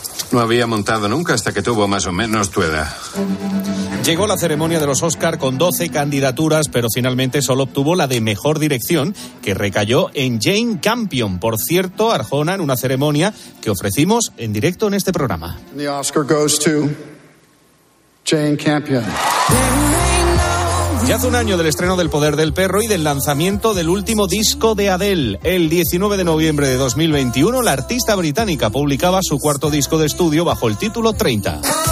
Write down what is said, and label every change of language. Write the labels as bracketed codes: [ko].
[es] No había montado nunca hasta que tuvo más o menos tu edad. Llegó la ceremonia de los Oscar con 12 candidaturas, pero finalmente solo obtuvo la de mejor dirección, que recayó en Jane Campion. Por cierto, Arjona, en una ceremonia que ofrecimos en directo en este programa. [en] The Oscar goes to Jane Campion. [es] Ya hace un año del estreno del Poder del Perro y del lanzamiento del último disco de Adele. El 19 de noviembre de 2021, la artista británica publicaba su cuarto disco de estudio bajo el título 30.